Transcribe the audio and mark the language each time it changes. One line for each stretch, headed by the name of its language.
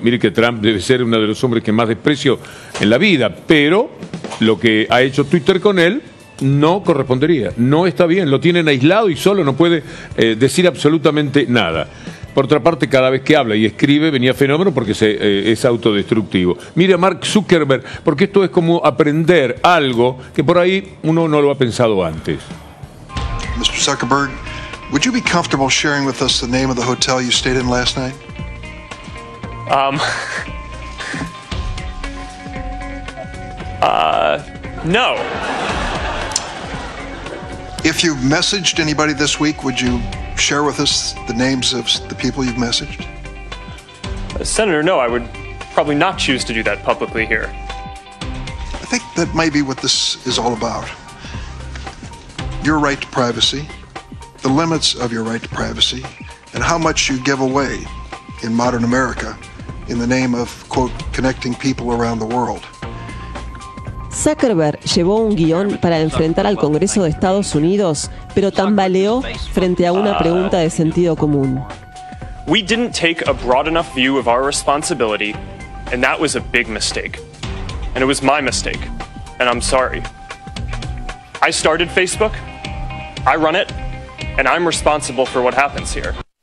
Spanish: Mire que Trump debe ser uno de los hombres que más desprecio en la vida, pero lo que ha hecho Twitter con él no correspondería. No está bien. Lo tienen aislado y solo no puede decir absolutamente nada. Por otra parte, cada vez que habla y escribe venía fenómeno porque es autodestructivo. Mire a Mark Zuckerberg, porque esto es como aprender algo que por ahí uno no lo ha pensado antes.
English: Mr. Zuckerberg, would you be comfortable sharing with us the name of the hotel you stayed in last night? No. If you've messaged anybody this week, would you share with us the names of the people you've messaged? Senator, no, I would probably not choose to do that publicly here. I think that may be what this is all about. Your right to privacy, the limits of your right to privacy, and how much you give away in modern America in the name of, quote, connecting people around the world.
Spanish: Zuckerberg llevó un guión para enfrentar al Congreso de Estados Unidos, pero tambaleó frente a una pregunta de sentido común.
English: We didn't take a broad enough view of our responsibility, and that was a big mistake. And it was my mistake, and I'm sorry. I started Facebook, I run it, and I'm responsible for what happens here.